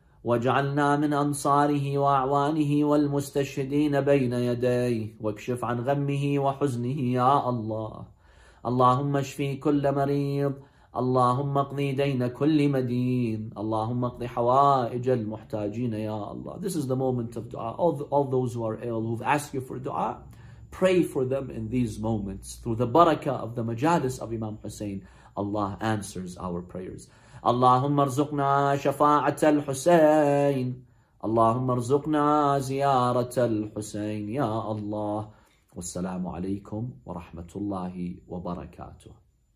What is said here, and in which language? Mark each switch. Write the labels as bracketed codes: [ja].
[ar] واجعلنا من أنصاره وأعوانه والمستشهدين بين يديه، واكشف عن غمه وحزنه يا الله. اللهم اشفي كل مريض، اللهم اقضي دين كل مدين، اللهم اقضي حوائج المحتاجين يا الله. [en] This is the moment of dua. All those who are ill, who've asked you for dua, pray for them in these moments. Through the barakah of the majalis of Imam Hussein, Allah answers our prayers. [ar] اللهم ارزقنا شفاعة الحسين، اللهم ارزقنا زيارة الحسين يا الله. والسلام عليكم ورحمة الله وبركاته.